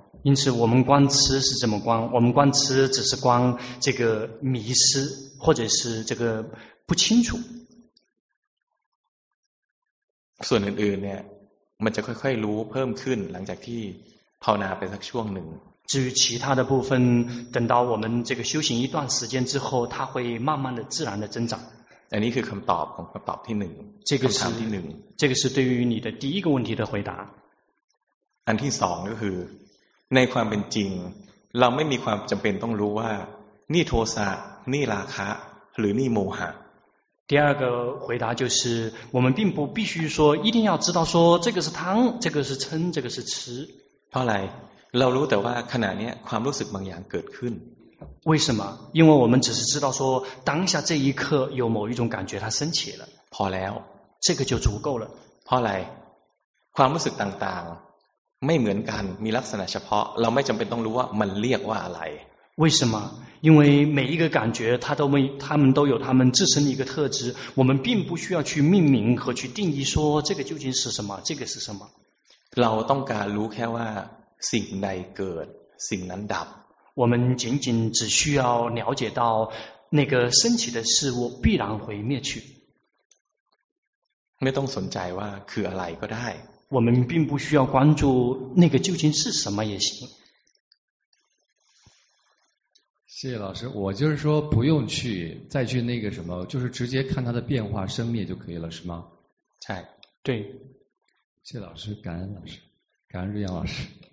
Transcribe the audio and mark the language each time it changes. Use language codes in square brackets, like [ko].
[zh] 因此我们观痴是怎么观我们观痴只是观这个迷失或者是这个不清楚 [th] ส่วนอื่นๆเนี่ยมันจะค่อยๆรู้เพิ่มขึ้นหลังจากที่ภาวนาไปสักช่วงหนึ่ง [zh] 至于其他的部分等到我们这个修行一段时间之后它会慢慢的自然的增长 [th] อันนี้คือคำตอบของคำตอบที่หนึ่ง คำ ถามที่หนึ่ง [zh] 这个是对于你的第一个问题的回答 [th] อันที่สองก็คือในความเป็นจริงเราไม่มีความจำเป็นต้องรู้ว่านี่โทสะนี่ราคะหรือนี่โมหะ [zh] 第二个回答就是我们并不必须说一定要知道说这个是贪这个是嗔这个是痴 [th] เพราะอะไรเรารู้แต่ว่าขณะนี้ความรู้สึกบางอย่างเกิดขึ้น [zh] 为什么因为我们只是知道说当下这一刻有某一种感觉它升起了 [th] พอแล้ว [zh] 这个就足够了 [th] เพราะอะไรความรู้สึกต่างๆไม่เหมือนกันมีลักษณะเฉพาะเราไม่จำเป็นต้องรู้ว่ามันเรียกว่าอะไร [zh] 为什么因为每一个感觉它都没它们都有它们自身的一个特质我们并不需要去命名和去定义说这个究竟是什么这个是什么 [th] เราต้องการรู้แค่ว่าสิ่งใดเกิดสิ่งนั้นดับ [zh] 我们仅仅只需要了解到那个升起的事物必然会灭去 [th] ไม่ต้องสนใจว่าคืออะไรก็ได้ [zh] 我们并不需要关注那个究竟是什么也行谢谢老师我就是说不用去再去那个什么就是直接看它的变化生灭就可以了是吗对对谢谢老师感恩老师感恩瑞阳老师